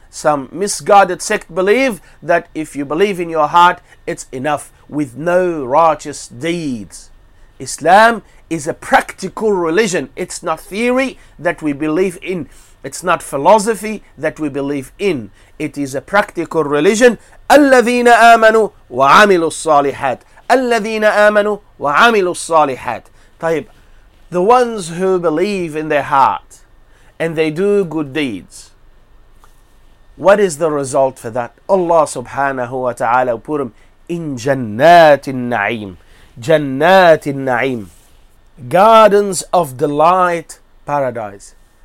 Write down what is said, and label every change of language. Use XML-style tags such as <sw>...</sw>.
<en>Some misguided sect believe that if you believe in your heart, it's enough with no righteous deeds. Islam is a practical religion. It's not theory that we believe in. It's not philosophy that we believe in. It is a practical religion.</en> <ar>الذين آمنوا وعملوا الصالحات الذين آمنوا وعملوا الصالحات.</ar> <en>طيب, the ones who believe in their heart and they do good deeds, what is the result for that? Allah subhanahu wa ta'ala put them in جنات النعيم. جنات النعيم, gardens of delight, paradise.</en>